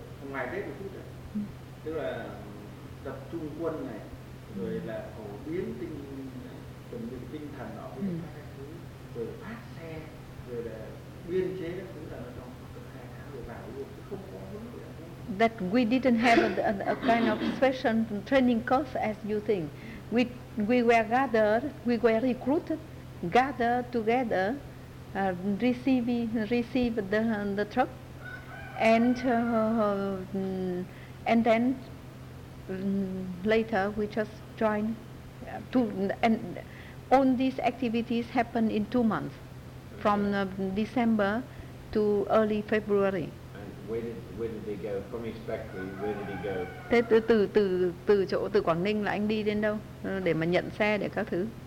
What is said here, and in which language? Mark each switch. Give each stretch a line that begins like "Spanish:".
Vietnamese: ngoài Tết một chút, tức là tập trung quân này, rồi là phổ biến tinh chuẩn bị tinh thần đó với các thứ, rồi phát xe, rồi là biên chế các thứ là trong hai tháng rồi vào luôn, không có vấn đề.
English: That we didn't have a kind of special training course as you think. We were gathered, we were recruited, gathered together. Receive the truck, and then later we just join. To and all these activities happen in 2 months, from December to early February. And where did he go from his factory? Where did he go?
Vietnamese: Thế từ chỗ từ Quảng Ninh là anh đi đến đâu để mà nhận xe để các thứ?